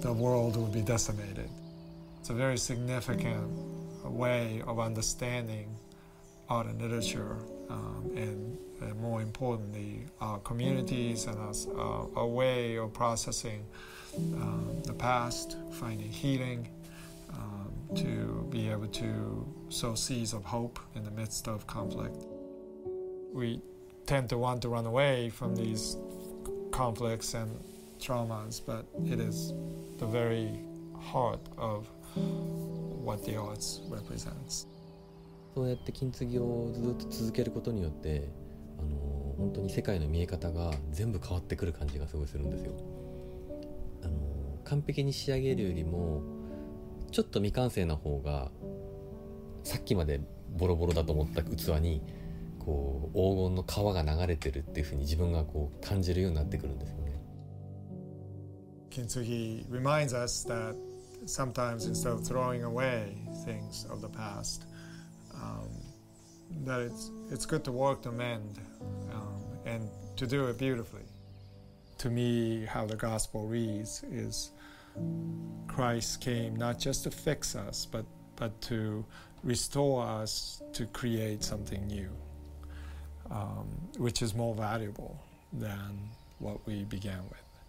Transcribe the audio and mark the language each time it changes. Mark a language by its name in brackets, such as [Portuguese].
[English] The world would be decimated. It's a very significant way of understanding art and literature, and more importantly, our communities, and as a way of processing the past, finding healing, to be able to sow seeds of hope in the midst of conflict. We tend to want to run away from these conflicts and traumas, but it is the very heart of what the arts represents. [Japanese] そうやって金継ぎをずっと続けることによって、本当に世界の見え方が全部変わってくる感じがすごいするんですよ。完璧に仕上げるよりもちょっと未完成な方が、さっきまでボロボロだと思った器にこう黄金の川が流れてるっていう風に自分がこう感じるようになってくるんですよね。 [English] Kintsugi reminds us that sometimes instead of throwing away things of the past, that it's good to work to mend, and to do it beautifully. To me, how the gospel reads is Christ came not just to fix us, but to restore us to create something new, which is more valuable than what we began with.